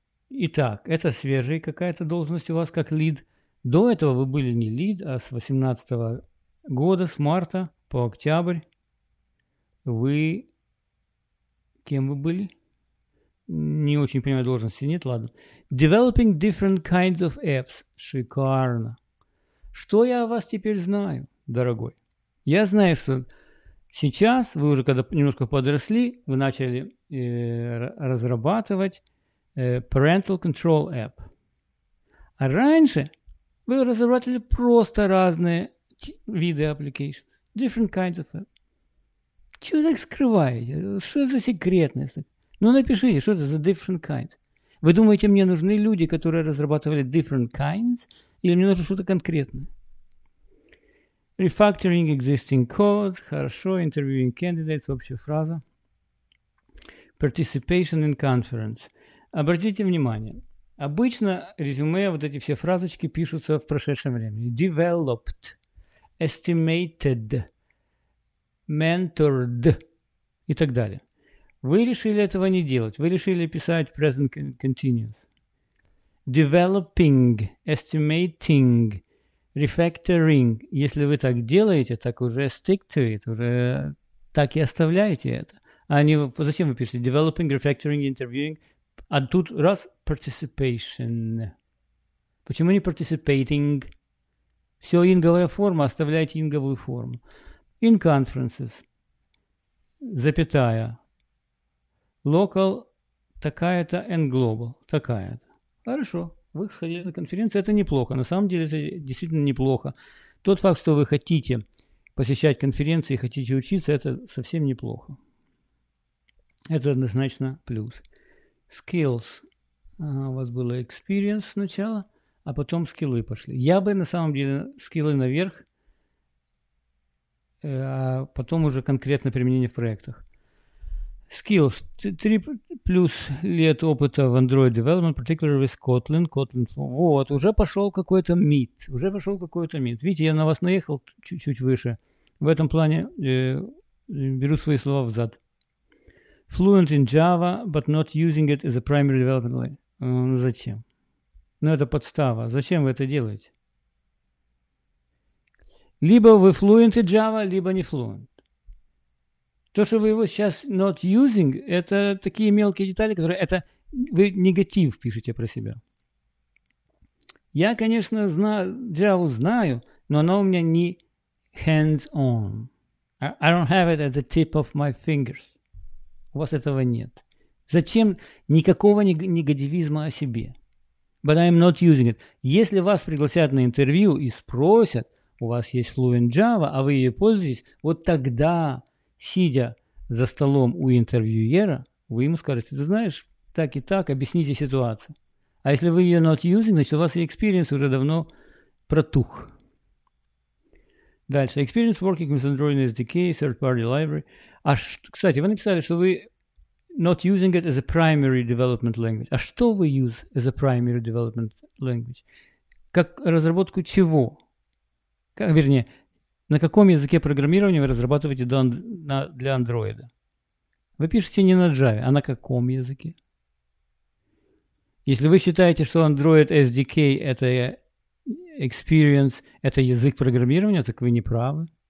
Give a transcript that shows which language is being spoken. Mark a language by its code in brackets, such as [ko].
[ru] Итак, это свежая какая-то должность у вас как лид. До этого вы были не лид, а с 18 года, с марта по октябрь. Вы кем вы были? Не очень понимаю должности, нет, ладно. [en] Developing different kinds of apps. [ru] Шикарно. Что я о вас теперь знаю, дорогой? Я знаю, что сейчас вы уже когда немножко подросли, вы начали разрабатывать parental control app. А раньше вы разрабатывали просто разные виды applications. [en] Different kinds of apps. [ru] Чего вы так скрываете? Что за секретность? Ну, напишите, что это за [en] different kinds. [ru] Вы думаете, мне нужны люди, которые разрабатывали different kinds? Или мне нужно что-то конкретное? [en] Refactoring existing code. [ru] Хорошо. [en] Interviewing candidates. [ru] Общая фраза. [en] Participation in conference. [ru] Обратите внимание. Обычно резюме, вот эти все фразочки пишутся в прошедшем времени. [en] Developed. Estimated. [ru] Mentored и так далее. Вы решили этого не делать. Вы решили писать present continuous. [en] Developing, estimating, refactoring. [ru] Если вы так делаете, так уже [en] stick to it, [ru] уже так и оставляете это. А не, зачем вы пишете? [en] Developing, refactoring, interviewing. [ru] А тут раз participation. Почему не participating? Все инговая форма, оставляйте инговую форму. [en] In conferences, запятая, local, такая-то, and global, такая-то. [ru] Хорошо, вы ходили на конференции, это неплохо. На самом деле, это действительно неплохо. Тот факт, что вы хотите посещать конференции, хотите учиться, это совсем неплохо. Это однозначно плюс. Skills. Ага, у вас было experience сначала, а потом скиллы пошли. Я бы, на самом деле, скиллы наверх, а потом уже конкретно применение в проектах. [en] Skills. [ru] 3 плюс лет опыта в [en] Android Development, particularly with Kotlin. Kotlin. [ru] Вот, уже пошел какой-то мид. Уже пошел какой-то мид. Видите, я на вас наехал чуть-чуть выше. В этом плане беру свои слова взад. [en] Fluent in Java, but not using it as a primary development language. [ru] Ну, зачем? Ну, это подстава. Зачем вы это делаете? Либо вы [en] fluent in Java, [ru] либо не fluent. То, что вы его сейчас [en] not using, [ru] это такие мелкие детали, которые это вы негатив пишете про себя. Я, конечно, Java знаю, но она у меня не hands-on. [en] I don't have it at the tip of my fingers. [ru] У вас этого нет. Зачем никакого негативизма о себе? [en] But I'm not using it. [ru] Если вас пригласят на интервью и спросят, у вас есть fluent Java, а вы ее пользуетесь, вот тогда, сидя за столом у интервьюера, вы ему скажете, ты знаешь, так и так, объясните ситуацию. А если вы ее [en] not using, [ru] значит, у вас experience уже давно протух. Дальше. [en] Experience working with Android SDK, third-party library. [ru] А кстати, вы написали, что вы [en] not using it as a primary development language. [ru] А что вы [en] use as a primary development language? [ru] Как разработку чего? Как, вернее, на каком языке программирования вы разрабатываете для Android? Вы пишете не на Java, а на каком языке? Если вы считаете, что Android SDK – это experience, это язык программирования, так вы не правы.